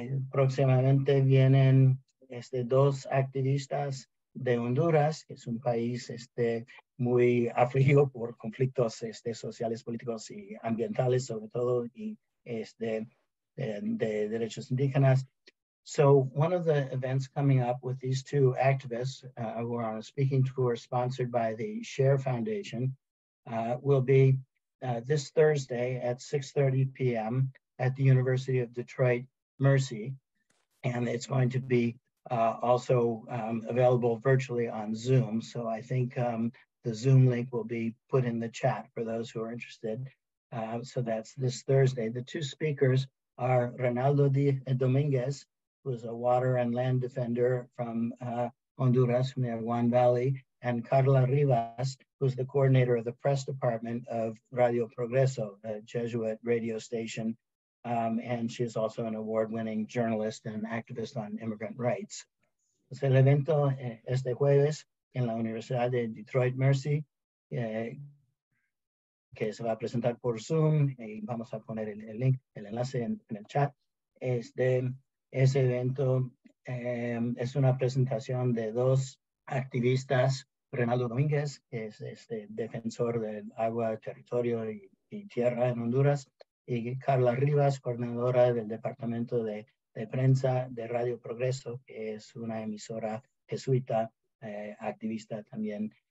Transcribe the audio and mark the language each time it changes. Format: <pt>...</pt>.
<es>Próximamente vienen dos activistas de Honduras, que es un país muy afligido por conflictos sociales, políticos y ambientales, sobre todo, y de derechos indígenas.</es> <en>So one of the events coming up with these two activists who are on a speaking tour sponsored by the Share Foundation will be this Thursday at 6:30 p.m. at the University of Detroit Mercy, and it's going to be also available virtually on Zoom. So I think the Zoom link will be put in the chat for those who are interested. So that's this Thursday. The two speakers are Ronaldo Dominguez, who is a water and land defender from Honduras, from the Huron Valley, and Carla Rivas, who's the coordinator of the press department of Radio Progreso, a Jesuit radio station. And she is also an award-winning journalist and activist on immigrant rights.</en> <es>Entonces, el evento jueves en la Universidad de Detroit Mercy que se va a presentar por Zoom, y vamos a poner el link, el enlace en el chat. Ese evento es una presentación de dos activistas, Renaldo Domínguez, que es este defensor del agua, territorio y tierra en Honduras, y Carla Rivas, coordinadora del Departamento de Prensa de Radio Progreso, que es una emisora jesuita, activista también.</es>